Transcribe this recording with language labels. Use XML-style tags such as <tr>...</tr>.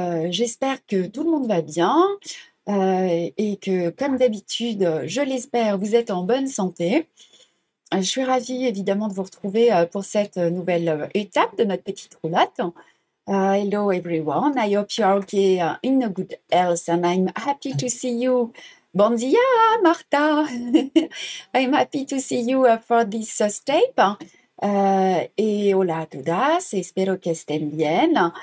<fr>J'espère que tout le monde va bien et que, comme d'habitude, je l'espère, vous êtes en bonne santé. Je suis ravie, évidemment, de vous retrouver pour cette nouvelle étape de notre petite roulotte.</fr> <en>Hello everyone. I hope you're okay, in a good health and I'm happy to see you.</en> <ca>Bon dia,</ca> <en>Martha. I'm happy to see you for this step.</en> <es>Et hola a todas, espero que estén bien.</es>